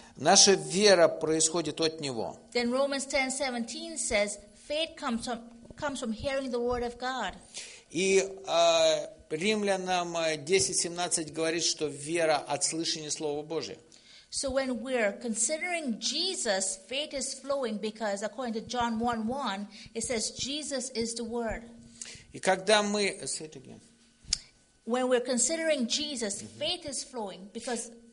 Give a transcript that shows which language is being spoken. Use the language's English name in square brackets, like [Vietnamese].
[Russian] Наша вера происходит от Него. [English] Then Romans 10:17 says, faith comes from hearing the word of God. [Russian] И Римлянам 10:17 говорит, что вера от слышания Слова Божия. [English] So when we're considering Jesus, faith is flowing because according to John 1:1, it says Jesus is the Word. [Russian] И когда мы... [English] Say it again. When we're considering Jesus, mm-hmm. faith is flowing because...